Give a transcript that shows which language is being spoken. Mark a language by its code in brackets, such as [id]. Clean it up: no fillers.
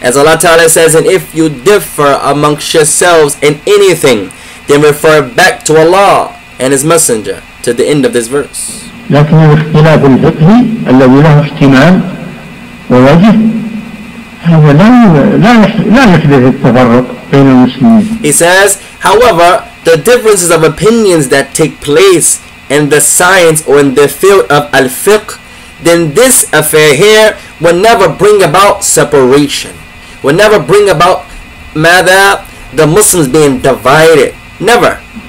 [en] As Allah Ta'ala says, and if you differ amongst yourselves in anything, then refer back to Allah and His Messenger, to the end of this verse. [ar] لكن الاختلاف الفقهي الذي له احتمال ووجه هذا لا يحدث التفرق بين المسلمين. [en] He says, however, the differences of opinions that take place in the science or in the field of al-fiqh, then this affair here will never bring about separation, will never bring about matter the Muslims being divided, never.